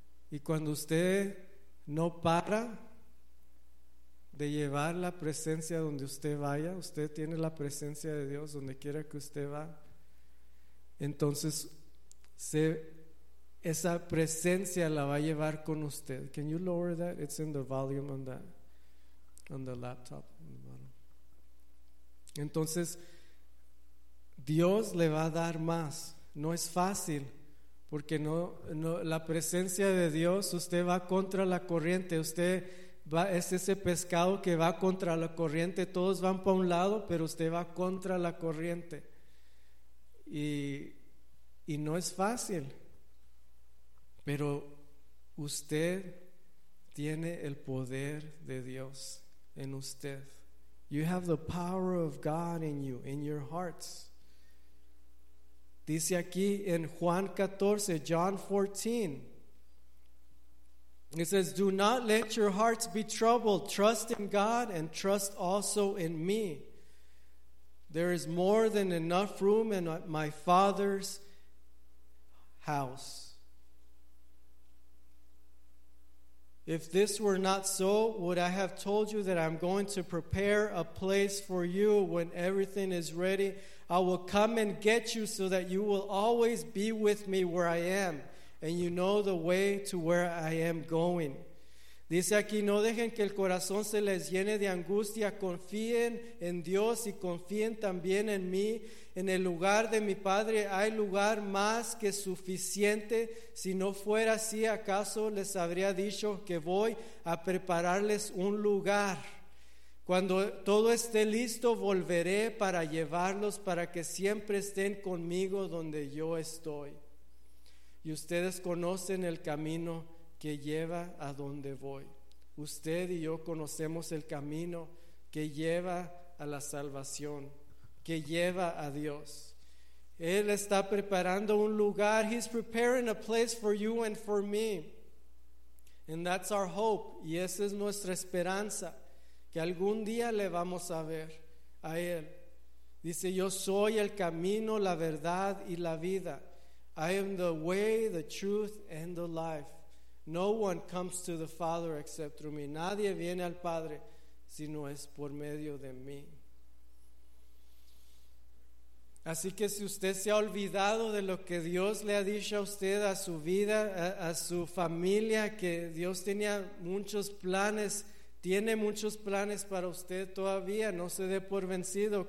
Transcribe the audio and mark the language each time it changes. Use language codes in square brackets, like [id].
[es] Y cuando usted no para de llevar la presencia donde usted vaya, usted tiene la presencia de Dios donde quiera que usted va, entonces esa presencia la va a llevar con usted. [en] Can you lower that? It's in the volume on the laptop on the bottom. [es] Entonces Dios le va a dar más. No es fácil, porque no la presencia de Dios, usted va contra la corriente, usted va, es ese pescado que va contra la corriente. Todos van para un lado, pero usted va contra la corriente. Y no es fácil. Pero usted tiene el poder de Dios en usted. [en] You have the power of God in you, in your hearts. [es] Dice aquí en Juan 14, John 14. [en] It says, do not let your hearts be troubled. Trust in God and trust also in me. There is more than enough room in my Father's house. If this were not so, would I have told you that I'm going to prepare a place for you? When everything is ready, I will come and get you so that you will always be with me where I am. And you know the way to where I am going. [es] Dice aquí, no dejen que el corazón se les llene de angustia. Confíen en Dios y confíen también en mí. En el lugar de mi Padre hay lugar más que suficiente. Si no fuera así, acaso les habría dicho que voy a prepararles un lugar. Cuando todo esté listo, volveré para llevarlos, para que siempre estén conmigo donde yo estoy. Y ustedes conocen el camino que lleva a donde voy. Usted y yo conocemos el camino que lleva a la salvación, que lleva a Dios. Él está preparando un lugar. [en] He's preparing a place for you and for me. And that's our hope. [es] Y esa es nuestra esperanza, que algún día le vamos a ver a Él. Dice, yo soy el camino, la verdad y la vida. [en] I am the way, the truth, and the life. No one comes to the Father except through me. [es] Nadie viene al Padre si no es por medio de mí. Así que si usted se ha olvidado de lo que Dios le ha dicho a usted, a su vida, a su familia, que Dios tenía muchos planes, tiene muchos planes para usted todavía, no se dé por vencido.